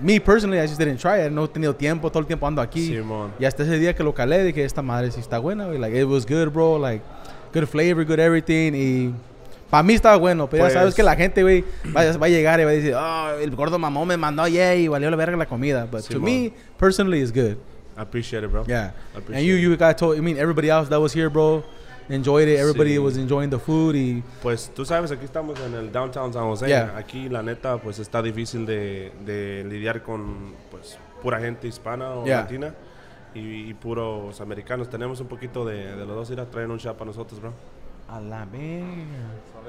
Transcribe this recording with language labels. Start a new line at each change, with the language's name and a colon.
English: Me, personally, I just didn't try it.
Spanish: No he tenido tiempo. Todo el tiempo ando aquí. Simón. Y hasta ese día que lo calé, dije, esta madre sí está buena, güey.
English: Like, it was good, bro. Like... good flavor, good everything.
Spanish: Y para mí estaba bueno, pero pues, ya sabes que la gente, güey, va a llegar y va a decir, oh, el gordo mamón me mandó ayer y valió la verga la comida.
English: But sí, to me, personally, it's good. I appreciate it, bro. Yeah. And you got told, I mean, everybody else that was here, bro, enjoyed it. Everybody was enjoying the food. Y
Spanish: pues tú sabes, aquí estamos en el downtown San Jose.
English: Yeah.
Spanish: Aquí, la neta, pues está difícil de lidiar con, pues, pura gente hispana o latina. Y puros americanos. Tenemos un poquito de los dos, ir a traer un shot para nosotros, bro. A la mierda.